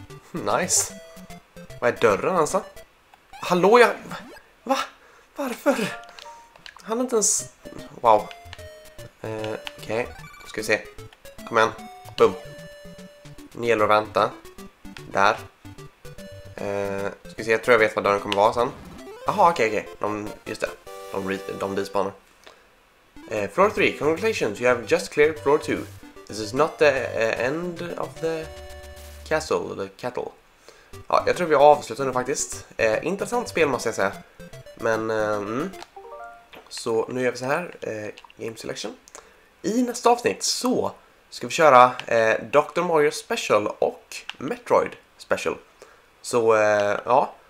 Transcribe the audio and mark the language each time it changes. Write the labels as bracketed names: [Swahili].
[Swedish] Nice. Vad är dörren alltså? Hallå, jag... Va? Varför? Han är inte ens... Wow. Okej, okay. Då ska vi se. Kom igen, boom. Nu gäller att vänta. Där. Ska vi se, jag tror jag vet vad dörren kommer vara sen. Aha, okej. De, just det, de despawnar. [English] Floor 3, congratulations, you have just cleared floor 2. This is not the end of the castle, the cattle. [Swedish] Ja, jag tror vi avslutar nu faktiskt. Intressant spel måste jag säga. Men, Så, nu gör vi så här. Game selection. I nästa avsnitt så ska vi köra Dr. Mario Special och Metroid Special. Så, ja.